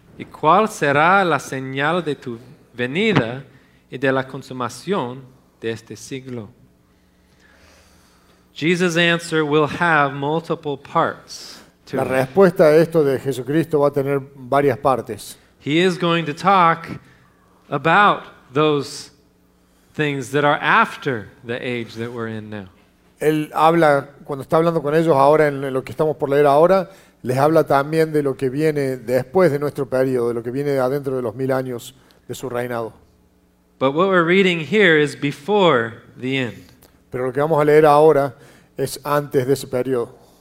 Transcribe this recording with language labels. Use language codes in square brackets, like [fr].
[es] ¿Y cuál será la señal de tu venida y de la consumación de este siglo? [en] Jesus' answer will have multiple parts. [es] La respuesta a esto de Jesucristo va a tener varias partes. [en] He is going to talk about those things that are after the age that we're in now. [es] Él habla, cuando está hablando con ellos ahora en lo que estamos por leer ahora, les habla también de lo que viene después de nuestro periodo, de lo que viene adentro de los mil años de su reinado. [en] But what we're reading here is before the end. [es] Pero lo que vamos a leer ahora es antes de ese periodo.